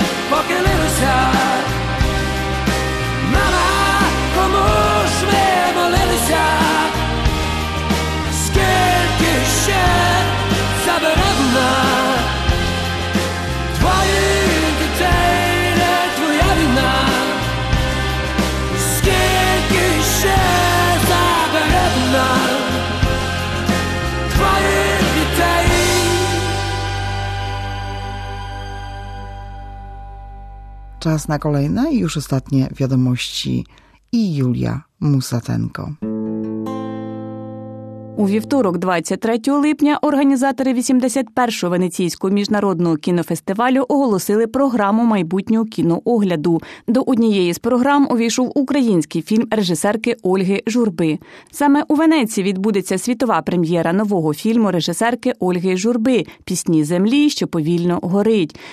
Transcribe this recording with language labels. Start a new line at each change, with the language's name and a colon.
Ukrainian: Покинилися, мама, кому ж ми молилися, скільки ще забере вона твоїх дітей, не твоя війна, скільки ще забере вона твоїх дітей.
Polish: Czas na kolejne i już ostatnie wiadomości i Julia Musatenko.
Ukrainian: У вівторок, 23 липня, організатори 81-го Венеційського міжнародного кінофестивалю оголосили програму майбутнього кіноогляду. До однієї з програм увійшов український фільм режисерки Ольги Журби. Саме у Венеції відбудеться світова прем'єра нового фільму режисерки Ольги Журби «Пісні землі, що повільно горить».